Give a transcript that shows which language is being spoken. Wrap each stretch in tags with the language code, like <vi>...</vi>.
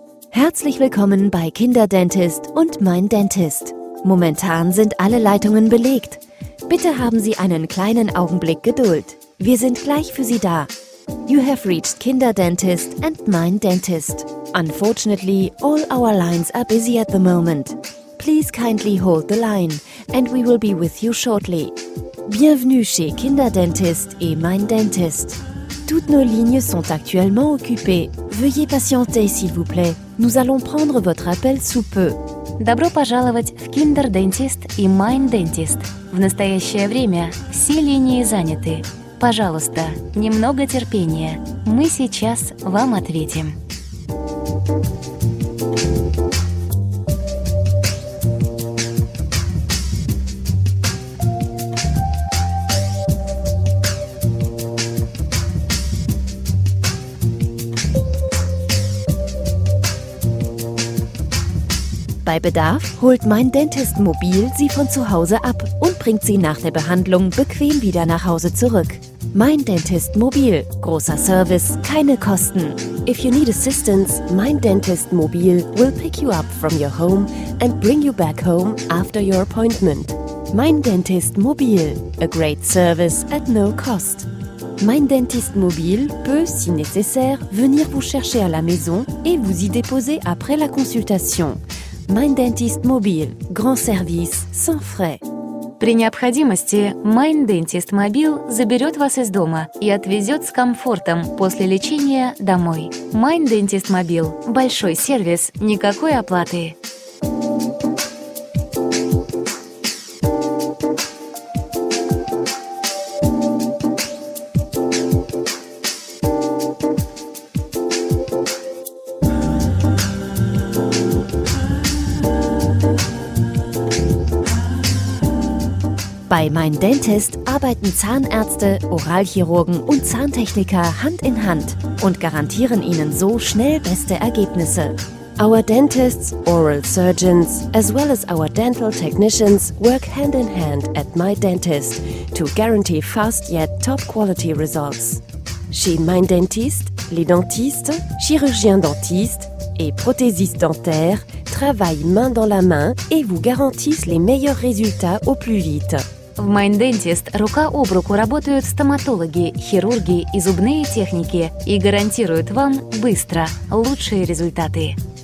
<de>Herzlich willkommen bei Kinderdentist und Mein Dentist. Momentan sind alle Leitungen belegt. Bitte haben Sie einen kleinen Augenblick Geduld. Wir sind gleich für Sie da.</de> <en>You have reached Kinderdentist and Mein Dentist. Unfortunately, all our lines are busy at the moment. Please kindly hold the line and we will be with you shortly.</en> <fr>Bienvenue chez Kinderdentist et Mein Dentist. Toutes nos lignes sont actuellement occupées. Veuillez patienter, s'il vous plaît. Nous allons prendre votre appel sous peu.</fr> <ru>Добро пожаловать в Kinderdentist и Mein Dentist. В настоящее время все линии заняты. Пожалуйста, немного терпения. Мы сейчас вам ответим.</ru> <de>Bei Bedarf holt Mein Dentist mobil Sie von zu Hause ab und bringt Sie nach der Behandlung bequem wieder nach Hause zurück. Mein Dentist mobil. Großer Service, keine Kosten.</de> <en>If you need assistance, Mein Dentist mobil will pick you up from your home and bring you back home after your appointment. Mein Dentist mobil. A great service at no cost.</en> <fr>Mein Dentist mobil peut, si nécessaire, venir vous chercher à la maison et vous y déposer après la consultation. Mein Dentist mobil. Grand service, sans frais.</fr> <ru>При необходимости Mein Dentist Mobile заберет вас из дома и отвезет с комфортом после лечения домой. Mein Dentist Mobile – большой сервис, никакой оплаты.</ru> <de>Bei Mein Dentist arbeiten Zahnärzte, Oralchirurgen und Zahntechniker Hand in Hand und garantieren ihnen so schnell beste Ergebnisse.</de> <en>Our dentists, oral surgeons, as well as our dental technicians work hand in hand at My Dentist to guarantee fast yet top quality results.</en> <fr>Chez Mein Dentist, les dentistes, chirurgiens dentistes et prothésistes dentaires travaillent main dans la main et vous garantissent les meilleurs résultats au plus vite.</fr> <ru>В Mein Dentist рука об руку работают стоматологи, хирурги и зубные техники и гарантируют вам быстро лучшие результаты.</ru>